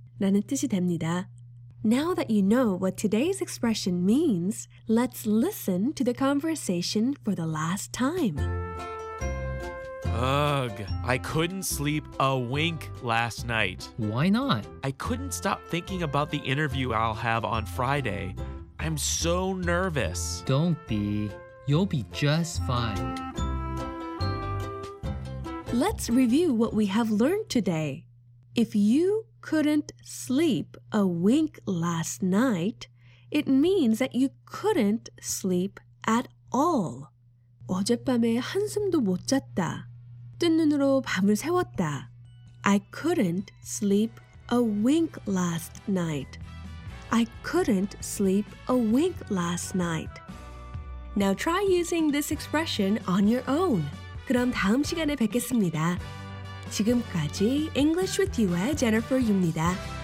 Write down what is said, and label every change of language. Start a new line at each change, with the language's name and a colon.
Korean: 라는 뜻이 됩니다.
English: Now that you know what today's expression means, let's listen to the conversation for the last time. Ugh, I couldn't sleep a wink last night. Why not? I couldn't stop thinking about the interview I'll have on Friday. I'm so nervous. Don't be. You'll be just fine. Let's review what we have learned today. If you couldn't sleep a wink last night, it means that you couldn't sleep at all.
Korean: 어젯밤에 한숨도 못 잤다. 뜬 눈으로 밤을 새웠다.
English: I couldn't sleep a wink last night. I couldn't sleep a wink last night. Now try using this expression on your own.
Korean: 그럼 다음 시간에 뵙겠습니다. 지금까지 English with You의 Jennifer입니다.